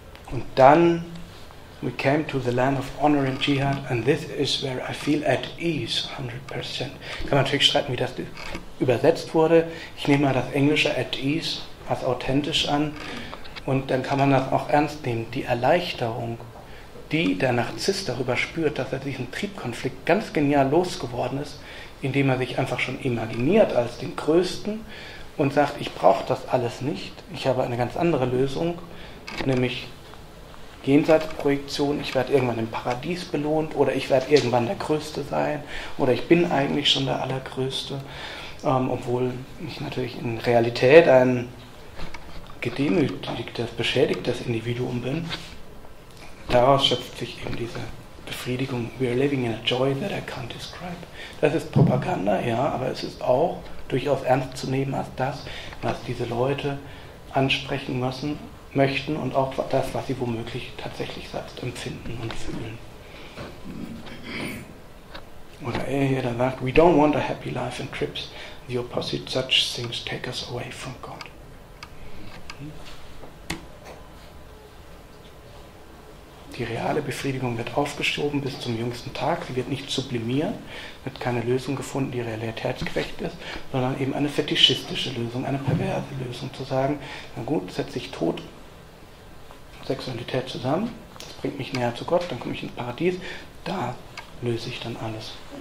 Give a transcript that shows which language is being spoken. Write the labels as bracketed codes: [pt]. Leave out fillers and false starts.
[de] Und dann, [en] we came to the land of honor and jihad and this is where I feel at ease 100%. [de] Kann man natürlich streiten, wie das übersetzt wurde. Ich nehme mal das Englische at ease als authentisch an und dann kann man das auch ernst nehmen. Die Erleichterung, die der Narzisst darüber spürt, dass er diesen Triebkonflikt ganz genial losgeworden ist, indem er sich einfach schon imaginiert als den Größten und sagt, ich brauche das alles nicht, ich habe eine ganz andere Lösung, nämlich Jenseitsprojektion, ich werde irgendwann im Paradies belohnt oder ich werde irgendwann der Größte sein oder ich bin eigentlich schon der Allergrößte, obwohl ich natürlich in Realität ein gedemütigtes, beschädigtes Individuum bin. Daraus schöpft sich eben diese Befriedigung. [en] We are living in a joy that I can't describe. [de] Das ist Propaganda, ja, aber es ist auch durchaus ernst zu nehmen als das, was diese Leute ansprechen müssen, möchten und auch das, was sie womöglich tatsächlich selbst empfinden und fühlen. Oder er hier dann sagt, [en] we don't want a happy life and trips. The opposite such things take us away from God. [de] Die reale Befriedigung wird aufgeschoben bis zum jüngsten Tag. Sie wird nicht sublimiert, wird keine Lösung gefunden, die realitätsgerecht ist, sondern eben eine fetischistische Lösung, eine perverse Lösung zu sagen, na gut, setze ich Tod und Sexualität zusammen, das bringt mich näher zu Gott, dann komme ich ins Paradies, da löse ich dann alles.